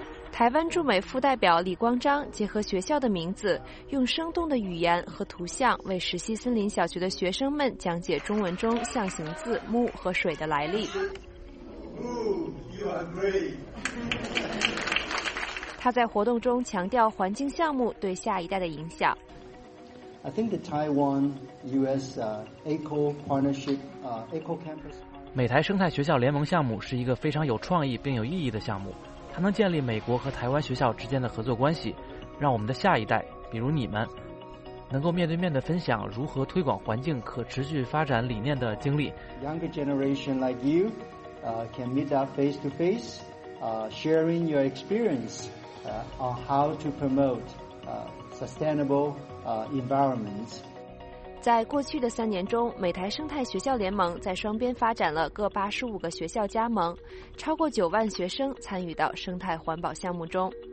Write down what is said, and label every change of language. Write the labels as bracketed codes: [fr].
[zh] 台湾驻美副代表李光章结合学校的名字，用生动的语言和图像为石溪森林小学的学生们讲解中文中象形字木和水的来历。他在活动中强调环境项目对下一代的影响。 [en] I think the Taiwan-US Eco Partnership Eco Campus [zh] 美台生态学校联盟项目是一个非常有创意并有意义的项目。它能建立美国和台湾学校之间的合作关系，让我们的下一代，比如你们，能够面对面地分享如何推广环境可持续发展理念的经历。 [en] Younger generation like you, can meet up face to face, sharing your experience, on how to promote, sustainable, environments. [zh] 在过去的3年中，美台生态学校联盟在双边发展了各85个学校加盟，超过9万学生参与到生态环保项目中。